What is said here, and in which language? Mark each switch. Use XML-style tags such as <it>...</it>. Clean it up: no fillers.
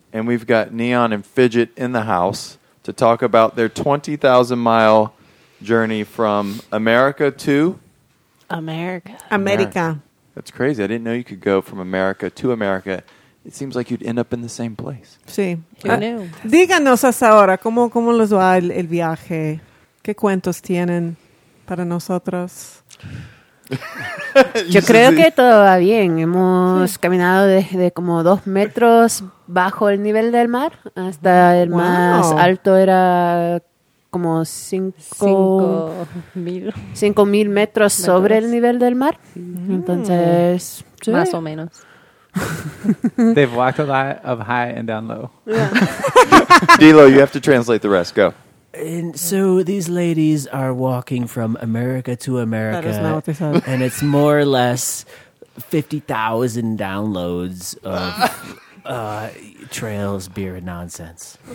<en>And we've got Neon and Fidget in the house to talk about their 20,000-mile journey from America to? America. That's crazy. I didn't know you could go from America to America. It seems like you'd end up in the same place.</en> <es>Sí.</es> <en>Who knew?</en> <es>Díganos hasta ahora, ¿cómo les va el viaje? ¿Qué cuentos tienen para nosotros? Yo creo que todo va bien. Hemos caminado desde como 2 metros bajo el nivel del mar hasta el más alto era como 5,000 metros sobre el nivel del mar. Entonces, más o menos.</es> <en>They've walked a lot of high and down low. Yeah. D-Lo, you have to translate the rest. Go. And so these ladies are walking from America to America. That is not what they said. And it's more or less 50,000 downloads of trails, beer, and nonsense.</en>